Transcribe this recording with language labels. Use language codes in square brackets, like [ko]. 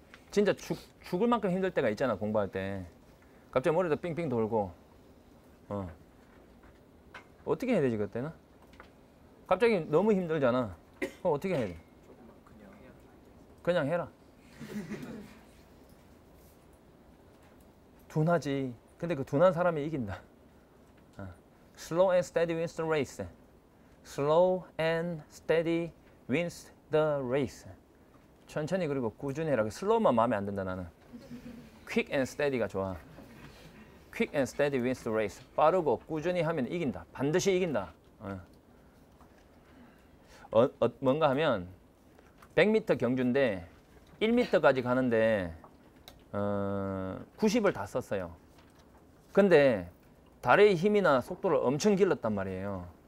[ko] 진짜 죽을 만큼 힘들 때가 있잖아 공부할 때. 갑자기 머리도 빙빙 돌고 어떻게 해야 되지 그때는? 갑자기 너무 힘들잖아. 그럼 어떻게 해야 돼? 그냥 해라. 둔하지. 근데 그 둔한 사람이 이긴다. [en] Slow and steady wins the race. Slow and steady wins the race. [ko] 천천히 그리고 꾸준히 해라. 슬로우만 마음에 안 든다 나는. [en] Quick and steady가 [ko] 좋아. [en] Quick and steady wins the race. [ko] 빠르고 꾸준히 하면 이긴다. 반드시 이긴다. 뭔가 하면 100m 경주인데 1m까지 가는데 90을 다 썼어요. 근데 다리의 힘이나 속도를 엄청 길렀단 말이에요.